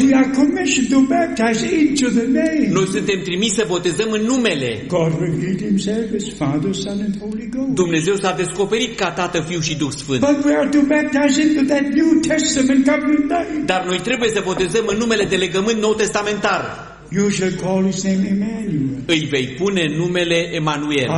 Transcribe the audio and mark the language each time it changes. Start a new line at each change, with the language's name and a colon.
English: We are commissioned to baptize into the name.
Romanian: Noi suntem trimiși să botezăm în numele.
English: God revealed himself as Father, Son and Holy Ghost.
Romanian: Dumnezeu s-a descoperit ca Tată, Fiu și Duh Sfânt.
English: But we are to baptize into that New Testament covenant name.
Romanian: Dar noi trebuie să botezăm în numele de legământ nou testamentar.
English: You shall call his name Emmanuel.
Romanian: Îi vei pune numele Emanuel.